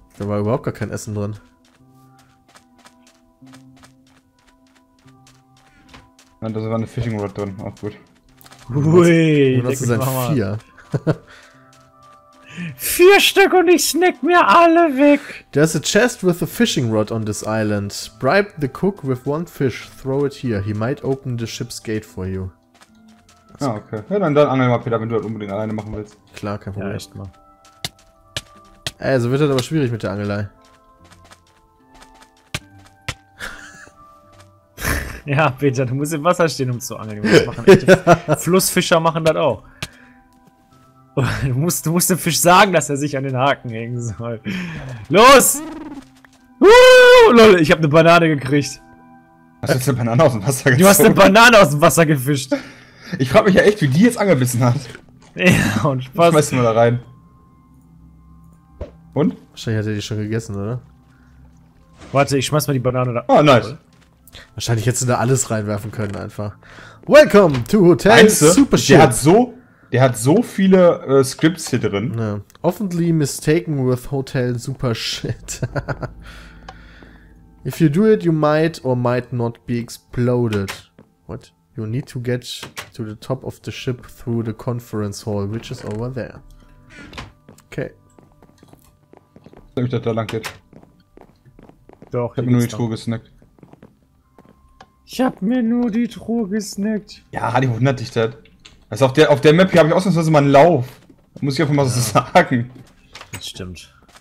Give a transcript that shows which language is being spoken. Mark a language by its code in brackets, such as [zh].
[de] Da war überhaupt gar kein Essen drin. Nein, da war eine Fishing Rod drin, auch gut. Hui, das ist ein 4. 4 Stück und ich snack mir alle weg. [en] There's a chest with a fishing rod on this island. Bribe the cook with one fish, throw it here. He might open the ship's gate for you. [de] Ah, ja, okay. Ja, dann angeln mal, Peter, wenn du das unbedingt alleine machen willst. Klar, kein Problem. Ja, echt mal. Ey, so wird das aber schwierig mit der Angelei. Ja, Peter, du musst im Wasser stehen, um zu angeln. Das machen Flussfischer machen das auch. Du musst dem Fisch sagen, dass er sich an den Haken hängen soll. Los! Lol, ich hab eine Banane gekriegt. Hast du jetzt eine Banane aus dem Wasser gezogen? Du hast eine Banane aus dem Wasser gefischt. Ich frag mich ja echt, wie die jetzt angebissen hat. Ja, und Spaß. Schmeiß sie mal da rein. Und? Wahrscheinlich hat er die schon gegessen, oder? Warte, ich schmeiß mal die Banane da. [en] Oh, nice. [de] Wahrscheinlich hättest du da alles reinwerfen können, einfach. [en] Welcome to Hotel Super Ship. [de] Der hat so viele Scripts hier drin. Ja. [en] Oftenly mistaken with Hotel Super Shit. If you do it, you might or might not be exploded. What? You need to get to the top of the ship through the conference hall, which is over there. Okay. [de] Ich glaube, dass da lang geht. Doch, ich hab nur die Truhe gesnackt. Ich hab mir nur die Truhe gesnackt. Ja, die wundert dich das. Also auf der Map hier habe ich ausnahmsweise mal einen Lauf. Muss ich einfach mal ja. So sagen. Das stimmt.